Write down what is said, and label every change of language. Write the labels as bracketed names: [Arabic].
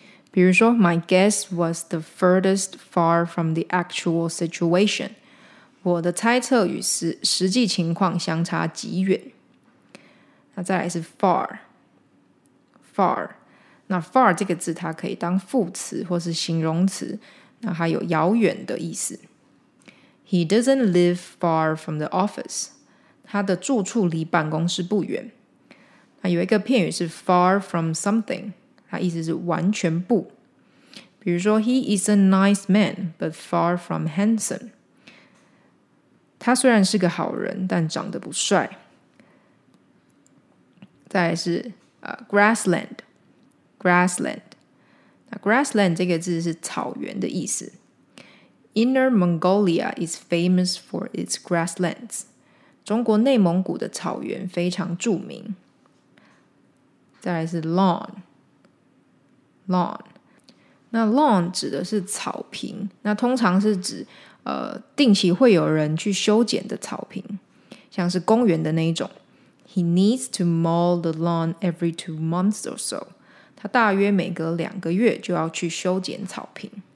[Chinese] 比如说 [English] My guess was the furthest far from the actual situation. [Chinese] 我的猜测与实际情况相差极远。那再来是 far, far, 那 far 这个字它可以当副词或是形容词，那它有遥远的意思。 [English] He doesn't live far from the office, [Chinese] 他的住处离办公室不远。那有一个片语是 far from something, 它意思是完全不。比如说 [English] He is a nice man, but far from handsome. [Chinese] 他虽然是个好人，但长得不帅。再来是grassland, grassland. 那 grassland 这个字是草原的意思。 [English] Inner Mongolia is famous for its grasslands. [Chinese] 中国内蒙古的草原非常著名。再来是 lawn, lawn. 那 lawn 指的是草坪，那通常是指定期会有人去修剪的草坪，像是公园的那一种。 [English] He needs to mow the lawn every 2 months or so. [Chinese] 他大约每隔两个月就要去修剪草坪。